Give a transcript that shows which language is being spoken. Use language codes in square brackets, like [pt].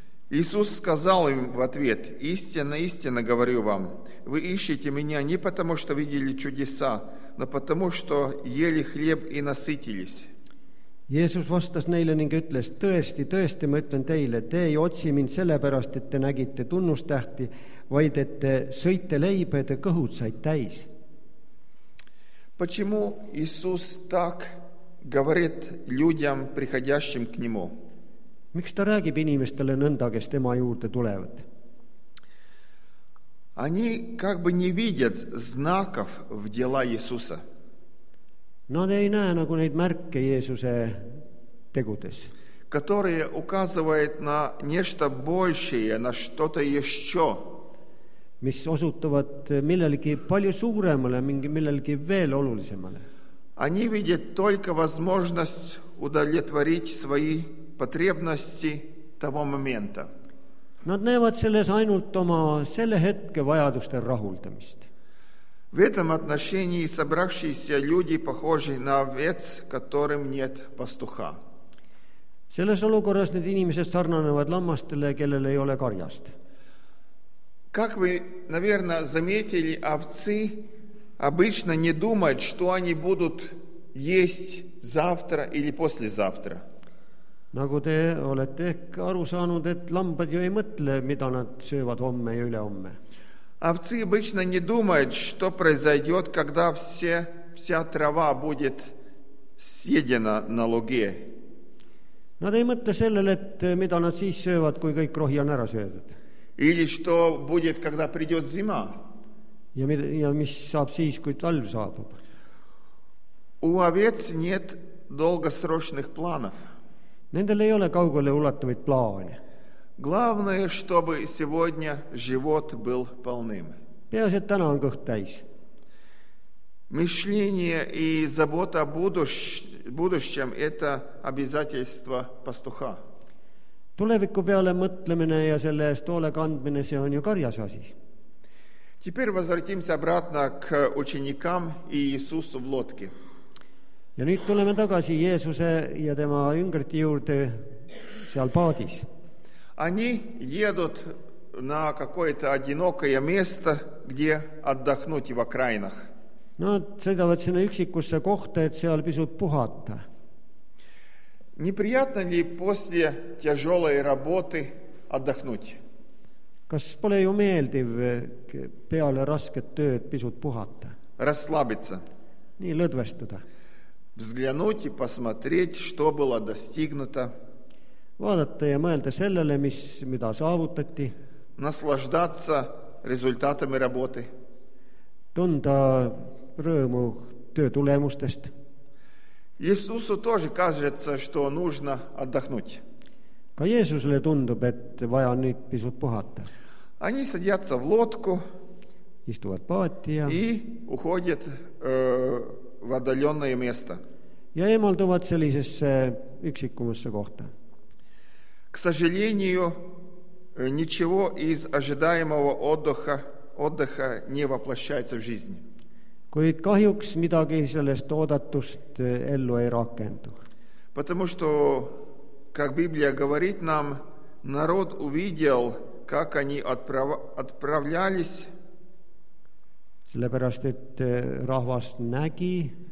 [ru] Иисус сказал им в ответ, «Истинно, истинно говорю вам, вы ищете меня не потому, что видели чудеса, но потому, что ели хлеб и насытились». [et] Jeesus vastas neile ning ütles, tõesti, tõesti, ma ütlen teile, te ei otsi mind sellepärast, et te nägite tunnustähti, vaid et te sõite leibe ja te kõhud said täis. [ru] Почему Иисус так говорит людям, приходящим к нему? [et] Miks ta räägib inimestele nõnda, kes tema juurde tulevad? [ru] Они как бы не видят знаков в дела Иисуса. [et] Nad ei näe nagu neid märke Jeesuse tegudes. [ru] Которые указывают на нечто большее, на что-то еще. [et] Mis osutuvad millelgi palju suuremale, millelgi veel olulisemale. [ru] Они видят только возможность удовлетворить свои потребности того момента. [et] Nad näevad selles ainult oma selle hetke vajaduste rahuldamist. [ru] В этом отношении собравшиеся люди похожи на овец, которым нет пастуха. [et] Selles olukorras need inimesed sarnanevad lammastele, kellel ei ole karjast. [ru] Как вы, наверное, заметили, овцы обычно не думают, что они будут есть завтра или послезавтра. [et] Nagu te olete ehk aru saanud, et lambad ju ei mõtle, mida nad söövad homme ja ülehomme. [ru] Овцы обычно не думают, что произойдет, когда вся трава будет съедена на луге. [et] Nad ei mõtle sellel, et mida nad siis söövad, kui kõik rohi on ära söödud. [ru] Или что будет, когда придет зима. [et] Ja mis saab siis, kui talv saabub. [ru] У овец нет долгосрочных планов. [et] Nendel ei ole kaugele ulatuvaid plaane. [ru] Главное, чтобы сегодня живот был полным. [et] Peas, et täna on kõht täis. [ru] Мышление и забота о будущем – это обязательство пастуха. [et] Tuleviku peale mõtlemine ja selle eest hoolekandmine – see on ju karjas asi. [ru] Теперь возвратимся обратно к ученикам и Иисусу в лодке. [et] Ja nüüd tuleme tagasi Jeesuse ja tema jüngrite juurde seal paadis. [ru] Они едут на какое-то одинокое место, где отдохнуть в окраинах. [et] Nad sõidavad sinna üksikusse kohta, et seal pisut puhata. [ru] Неприятно ли после тяжелой работы отдохнуть? [et] Kas pole ju meeldiv peale rasket tööd pisut puhata? [ru] Расслабиться. [et] Nii lõdvestuda. [ru] Взглянуть и посмотреть, что было достигнуто. [et] Vaadata ja mõelda sellele, mida saavutati. [ru] Наслаждаться результатами работы. [et] Tunda rõõmu töötulemustest. [ru] Иисусу тоже кажется, что нужно отдохнуть. [et] Ka Jeesusele tundub, et vaja nüüd pisut puhata. [ru] Они садятся в лодку. [et] Istuvad paati ja... [ru] И уходят в отдаленное место. [et] Ja eemalduvad sellisesse üksikumasse kohta. [ru] К сожалению, ничего из ожидаемого отдыха не воплощается в жизнь. [et] Kuid kahjuks midagi sellest oodatust ellu ei rakendu. [ru] Потому что, как Библия говорит нам, народ увидел, как они отправлялись. [et] Sellepärast, et rahvas nägi.